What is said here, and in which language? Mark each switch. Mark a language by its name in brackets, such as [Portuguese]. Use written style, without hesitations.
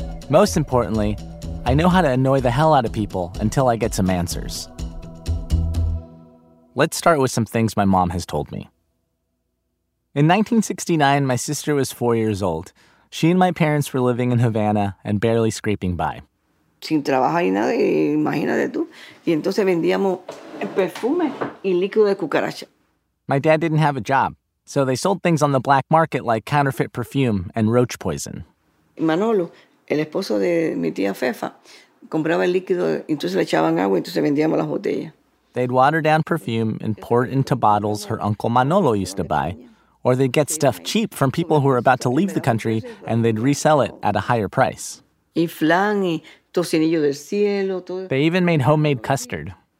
[English] Most importantly, I know how to annoy the hell out of people until I get some answers. Let's start with some things my mom has told me. In 1969, my sister was 4 years old. She and my parents were living in Havana and barely scraping by. [Spanish] Sin trabajo ni nada, imagínate tú. Y entonces vendíamos perfume y líquido de cucaracha. [English] My dad didn't have a job, so they sold things on the black market like counterfeit perfume and roach poison. [Spanish] Manolo, el esposo de mi tía Fefa, compraba el líquido, entonces le echaban agua, entonces vendíamos las botellas. [English] They'd water down perfume and pour it into bottles her uncle Manolo used to buy, or they'd get stuff cheap from people who were about to leave the country and they'd resell it at a higher price. [Spanish] Y flan y tocinillo del cielo. [English] They even made homemade custard.